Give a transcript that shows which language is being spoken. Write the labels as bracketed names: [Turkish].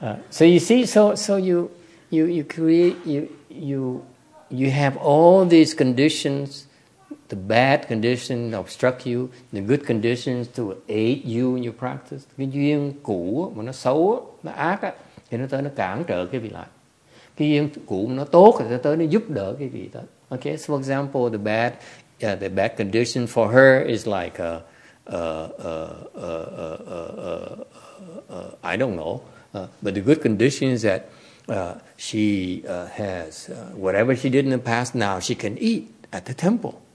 [English] So you see, you have all these conditions, the bad conditions obstruct you, the good conditions to aid you in your practice. [Vietnamese] Cái duyên cũ mà nó xấu, nó ác, thì nó tới nó cản trở cái vị lại. Cái duyên cũ mà nó tốt, thì nó tới nó giúp đỡ cái vị đó. [English] Okay, so for example, the bad condition for her is like, I don't know, but the good condition is that she has whatever she did in the past, now she can eat at the temple.